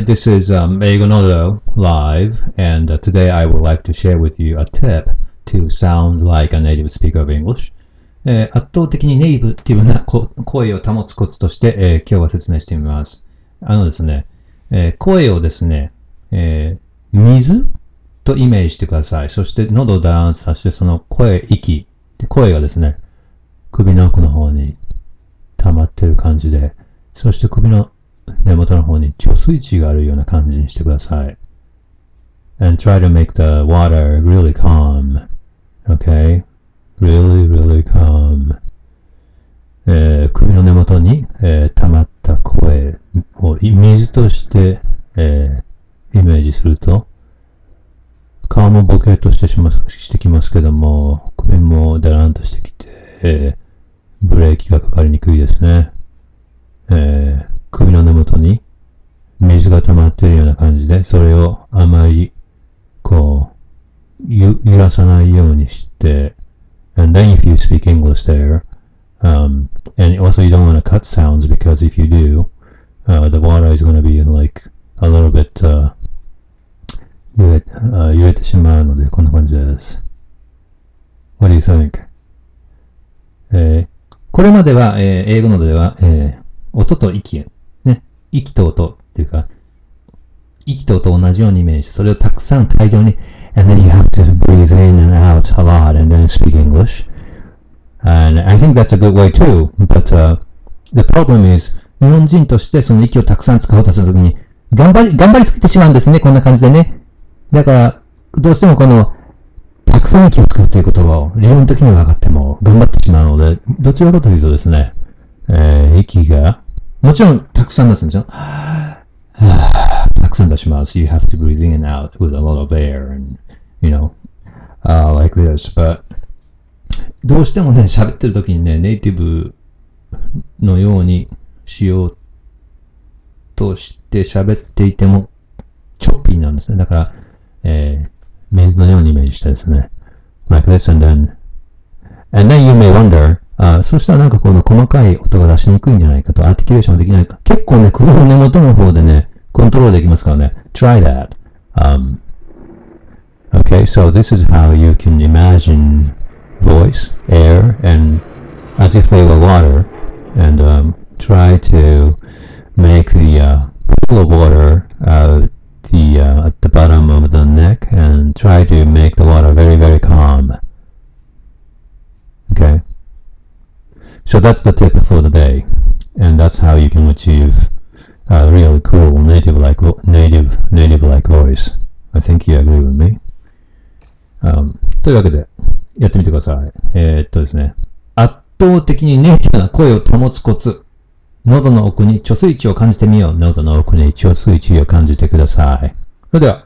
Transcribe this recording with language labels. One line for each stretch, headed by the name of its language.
English: This is Egonodo live, and today I would like to share with you a tip to sound like a native speaker of English.
Japanese: 圧倒的にネイティブな声を保つコツとして、今日は説明してみます。ですね、声をですね、水とイメージしてください。そして喉をダランとさせて、その声、息、で声がですね、首の奥の方に溜まってる感じで、そして首の根元の方に貯水池があるような感じにしてください。
English: And try to make the water really calm. Okay? Really, really calm.
Japanese: 首の根元に、溜まった声をイメージとして、イメージすると、顔もボケとしてしてきますけども、首もダランとしてきて、ブレーキがかかりにくいですね。首の根元に水が溜まっているような感じで、それをあまり、こう、揺らさないようにして、
English: and then if you speak English there, and also you don't want to cut sounds because if you do, the water is going to be in like a little bit,
Japanese: 揺れてしまうので、こんな感じです。
English: What do you think?
Japanese: これまでは、英語のでは、音と息、息と音っていうか、息と音同じようにイメージして、それをたくさん大量に、
English: and then you have to breathe in and out a lot and then speak English. And I think that's a good way too, but, the problem is,
Japanese: 日本人としてその息をたくさん使おうとするときに、頑張りすぎてしまうんですね、こんな感じでね。だから、どうしてもこの、たくさん息を使うということを、理論的にはわかっても、頑張ってしまうので、どちらかというとですね、息が、もちろん、たくさん出すんですよ。たくさん出します。
English: You have to breathe in and out with a lot of air and, you know, like this, but...
Japanese: どうしてもね、喋ってる時にね、ネイティブのようにしようとして喋っていても、チョッピーなんですね。だから、水のようにイメージしてですね。
English: Like this, and then... And then you may wonder,
Japanese: そしたらなんかこの細かい音が出しにくいんじゃないかと、アーティキュレーションできないか。結構ね、首の根元の方でね、コントロールできますからね。
English: Try that.、Okay, so this is how you can imagine voice, air, and as if they were water, and、try to make the、pool of water at the bottom of the neck and try to make the water very, very calm. Okay. So that's the tip for the day. And that's how you can achieve a really cool native-like voice. I think you agree with me.、
Japanese: というわけで、やってみてください。ですね。圧倒的にネイティブな声を保つコツ。喉の奥に貯水池を感じてみよう。喉の奥に貯水池を感じてください。それでは。